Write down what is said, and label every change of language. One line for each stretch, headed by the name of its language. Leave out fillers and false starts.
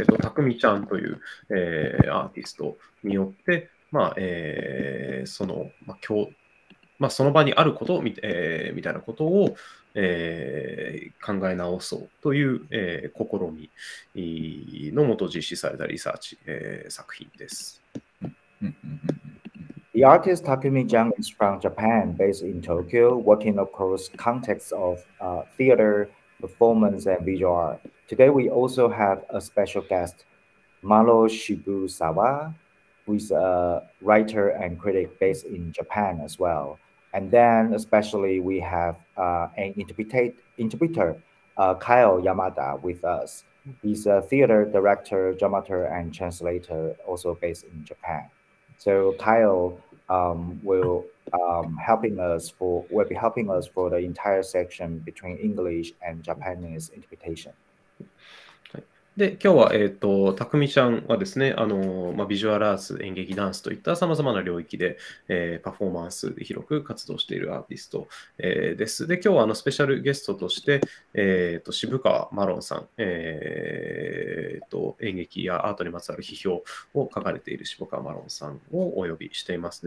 Japanese: Takumi Zhangという、アーティストによって、まあその、まあ、今日まあ、その場にあることを、みたいなことを、考え直そうという、試みのもと実施されたリサーチ、作品です。
English: The artist Takumi Zhang is from Japan, based in Tokyo, working across contexts of theater, performance, and visual art. Today we also have a special guest, Maro Shibusawa, who is a writer and critic based in Japan as well. And then, especially, we have an interpreter, Kyle Yamada, with us. He's a theater director, dramaturg, and translator, also based in Japan. So Kyle will be helping us for the entire section between English and Japanese interpretation.
Japanese: で今日は、たくみちゃんはですね、まあ、ビジュアルアーツ、演劇、ダンスといったさまざまな領域で、パフォーマンスで広く活動しているアーティスト、です。で今日はスペシャルゲストとして、渋川マロンさん、演劇やアートにまつわる批評を書かれている渋川マロンさんをお呼びしています。